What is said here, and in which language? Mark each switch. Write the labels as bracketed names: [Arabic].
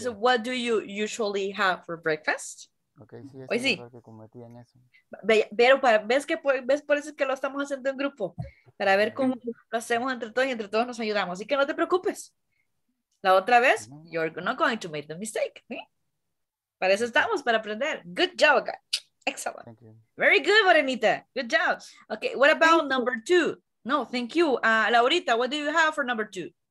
[English] So, what do you usually have for breakfast? [Spanish] Okay, sí, es sí. Que cometí en eso. Pero para, ves por eso es que lo estamos haciendo en grupo, para ver cómo lo hacemos entre todos y entre todos nos ayudamos. Así que no te preocupes. La otra vez, [English] you're not going to make the mistake. [Spanish] Para eso estamos, para aprender. [English] Good job, guys. Excellent. Very good, Morenita. Good job. Okay, what about number two? No, thank you. Laurita, what do you have for number two?